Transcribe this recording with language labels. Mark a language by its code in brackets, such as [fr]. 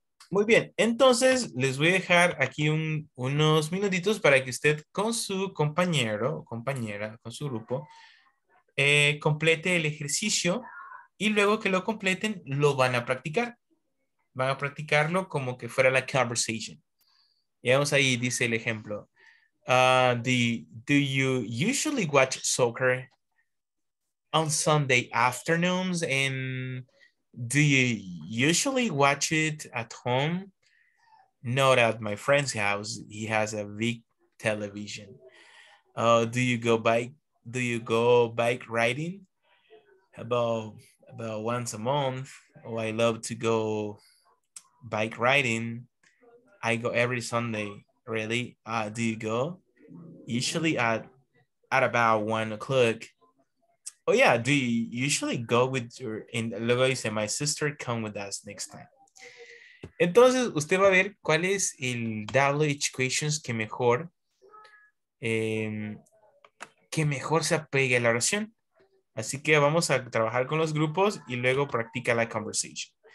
[es] Muy bien, entonces les voy a dejar aquí unos minutitos para que usted con su compañero o compañera, con su grupo, complete el ejercicio y luego que lo completen lo van a practicar. Van a practicarlo como que fuera la conversation. Y vamos ahí, dice el ejemplo. [en] Do you usually watch soccer on Sunday afternoons? And do you usually watch it at home? Not at my friend's house. He has a big television. Do you go bike riding? About once a month. Oh, I love to go bike riding. I go every Sunday. Really? Do you go? Usually at about 1 o'clock. Oh yeah, do you usually go with your, and [es] luego dice, [en] my sister come with us next time. [es] Entonces usted va a ver cuál es el WH questions que mejor se apegue a la oración. Así que vamos a trabajar con los grupos y luego practica la conversation.